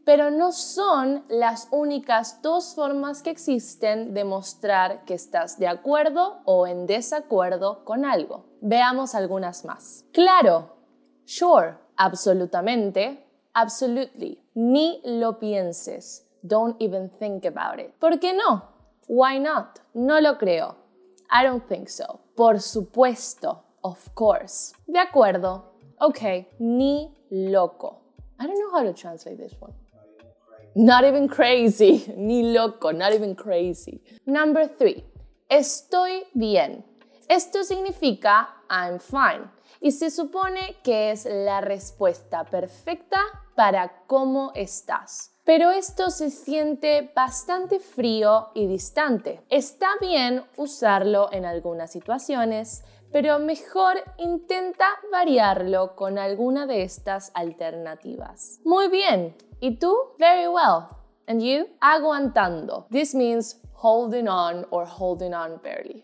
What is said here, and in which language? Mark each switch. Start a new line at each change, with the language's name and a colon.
Spanish: Pero no son las únicas dos formas que existen de mostrar que estás de acuerdo o en desacuerdo con algo. Veamos algunas más. Claro,
English: sure,
Spanish: absolutamente,
English: absolutely,
Spanish: ni lo pienses,
English: don't even think about it.
Spanish: ¿Por qué no?
English: Why not?
Spanish: No lo creo.
English: I don't think so.
Spanish: Por supuesto,
English: of course.
Spanish: De acuerdo, okay, ni loco.
English: I don't know how to translate this one. Not even crazy.
Spanish: Ni loco,
English: not even crazy. Number three.
Spanish: Estoy bien. Esto significa
English: I'm fine.
Spanish: Y se supone que es la respuesta perfecta para cómo estás. Pero esto se siente bastante frío y distante. Está bien usarlo en algunas situaciones, pero mejor intenta variarlo con alguna de estas alternativas. Muy bien. ¿Y tú?
English: Very well. And you?
Spanish: Aguantando.
English: This means holding on or holding on barely.